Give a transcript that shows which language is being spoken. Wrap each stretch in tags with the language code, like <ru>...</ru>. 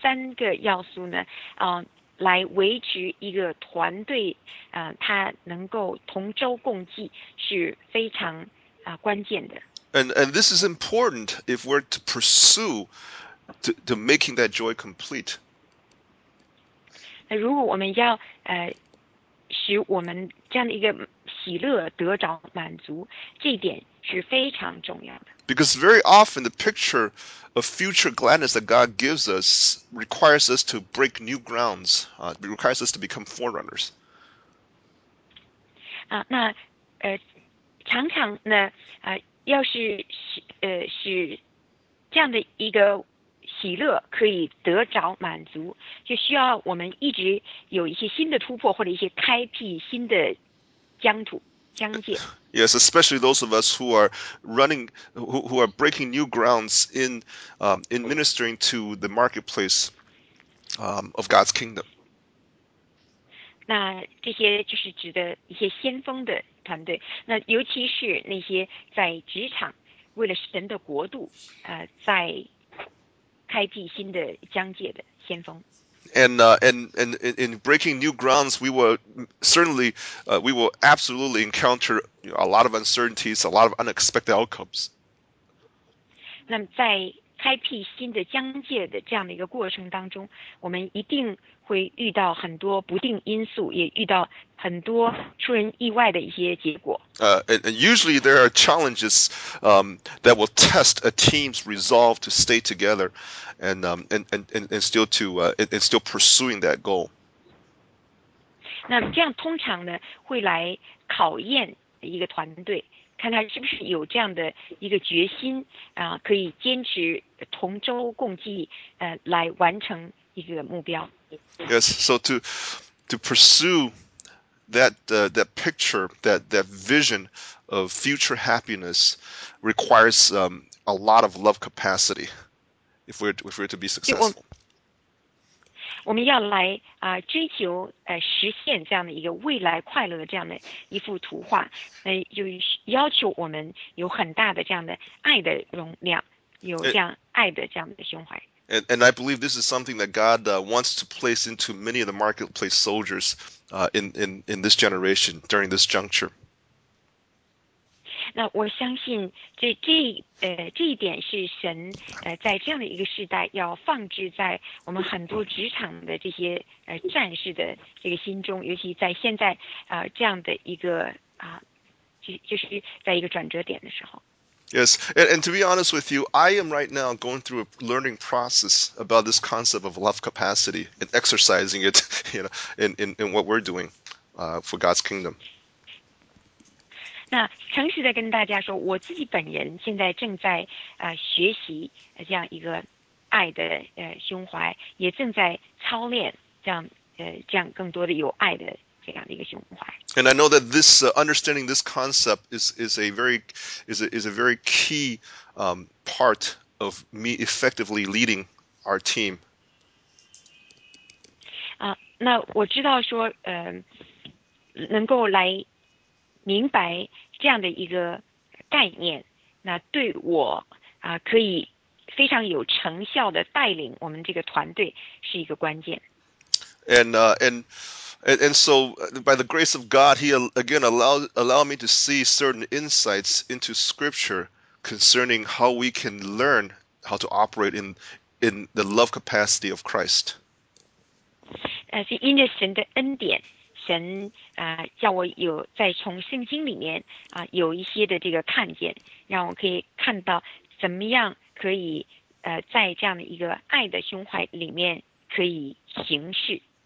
<zh>那恩典，牺牲，还有建造他的人，别的人，的这三个要素呢，来维持一个团队，他能够同舟共济是非常关键的。</zh> <en>And this is important if we're to pursue to making that joy complete.</en> <zh>那如果我们要使我们这样的一个喜乐得着满足，这一点。是非常重要的。</zh> <en>Because very often the picture of future gladness that God gives us requires us to break new grounds, requires us to become forerunners.</en> <zh>那常常呢要是使这样的一个喜乐可以得着满足，就需要我们一直有一些新的突破或者一些开辟新的疆土。</zh> <en>Yes, especially those of us who are running, who are breaking new grounds in ministering to the marketplace of God's kingdom.</en> <zh>那这些就是指的一些先锋的团队，那尤其是那些在职场为了神的国度，在开辟新的疆界的先锋。</zh> <en>And in breaking new grounds, we will certainly, we will absolutely encounter a lot of uncertainties, a lot of unexpected outcomes.</en> <zh>那么在开辟新的疆界的这样的一个过程当中，我们一定会遇到很多不定因素，也遇到很多出人意外的一些结果。</zh> <en>And usually there are challenges, that will test a team's resolve to stay together, and still pursuing that goal.</en> <zh>那这样通常呢，会来考验一个团队。看他是不是有这样的一个决心啊，可以坚持同舟共济，来完成一个目标。</zh> <en>Yes, so to pursue that that picture, that vision of future happiness requires a lot of love capacity if we're to be successful.</en> <zh>我们要来追求实现这样的一个未来快乐的这样的一幅图画，就要求我们有很大的这样的爱的容量，有这样爱的这样的胸怀。</zh> <en>And I believe this is something that God wants to place into many of the marketplace soldiers in this generation during this juncture.</en> <zh>那我相信这一点是神在这样的一个时代要放置在我们很多职场的这些战士的这个心中，尤其在现在这样的一个就是在一个转折点的时候。</zh> <en>Yes, and to be honest with you, I am right now going through a learning process about this concept of love capacity and exercising it, you know, in what we're doing for God's kingdom.</en> <zh>那诚实的跟大家说，我自己本人现在正在学习这样一个爱的胸怀，也正在操练这样更多的有爱的。</zh> <en>And I know that this understanding this concept is a very key part of me effectively leading our team.</en> <zh>那我知道说能够来明白这样的一个概念，那对我可以非常有成效的带领我们这个团队是一个关键。</zh> <en>And so, by the grace of God, He again allow me to see certain insights into Scripture concerning how we can learn how to operate in the love capacity of Christ.</en> <zh>是因着神的恩典，神叫我有在从圣经里面有一些的这个看见，让我可以看到怎么样可以在这样的一个爱的胸怀里面可以行事。</zh>